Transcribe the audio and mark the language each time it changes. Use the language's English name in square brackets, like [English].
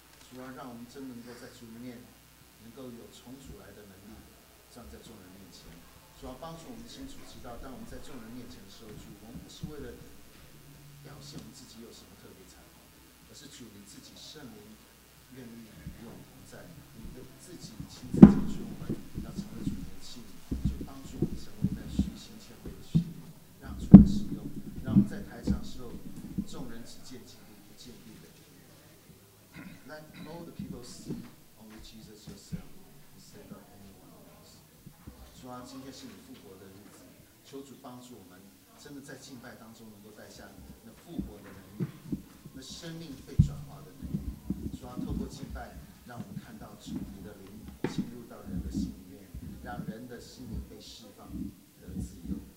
[Chinese] 主啊，让我们真能够在主里面。能够有从主来的能力站在众人面前，主要帮助我们清楚知道，当我们在众人面前的时候，主我们不是为了表现我们自己有什么特别才华，而是主你自己圣灵愿意与我们同在，你的自己亲自拣选我们要成为主的器皿，就帮助我们成为那虚心谦卑的器皿，让主来使用，让我们在台上的时候众人只见基督不见立的。 [English] Let all the people see. Jesus yourself instead of anyone else. [Chinese] 主啊，今天是你复活的日子，求主帮助我们，真的在敬拜当中能够带下那复活的能力，那生命被转化的能力。主啊，透过敬拜，让我们看到主你的灵进入到人的心里面，让人的心灵被释放得自由。